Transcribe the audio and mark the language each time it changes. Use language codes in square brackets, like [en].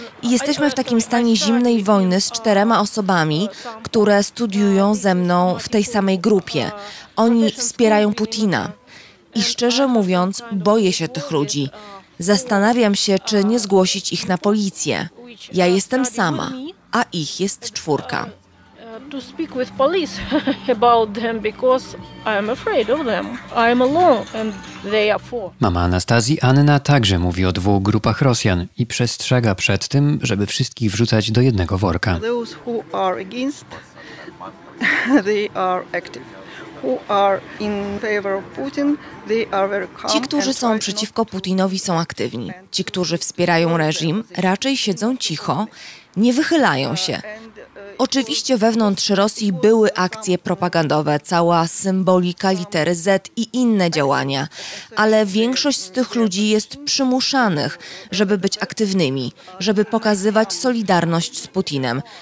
[pl] I jesteśmy w takim stanie zimnej wojny z czterema osobami, które studiują ze mną w tej samej grupie. Oni wspierają Putina. I szczerze mówiąc, boję się tych ludzi. Zastanawiam się, czy nie zgłosić ich na policję. Ja jestem sama, a ich jest czwórka. [en] To speak with police about them because I am afraid of them. I am alone and they are four. [pl] Mama Anastazji Anna także mówi o dwóch grupach Rosjan i przestrzega przed tym, żeby wszystkich wrzucać do jednego worka. [en] Those who are against, they are active. Who are in favor of Putin, they are very calm. [pl] Ci, którzy są przeciwko Putinowi, są aktywni. Ci, którzy wspierają reżim, raczej siedzą cicho, nie wychylają się. Oczywiście wewnątrz Rosji były akcje propagandowe, cała symbolika litery Z i inne działania, ale większość z tych ludzi jest przymuszanych, żeby być aktywnymi, żeby pokazywać solidarność z Putinem.